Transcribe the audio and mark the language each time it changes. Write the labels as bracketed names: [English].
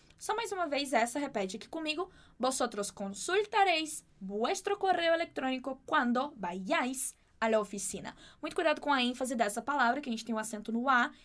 [Portuguese] Só mais uma vez essa, repete aqui comigo. [Spanish] Vosotros consultareis vuestro correo electrónico cuando vayáis a la oficina. [Portuguese] Muito cuidado com a ênfase dessa palavra, que a gente tem um acento no A.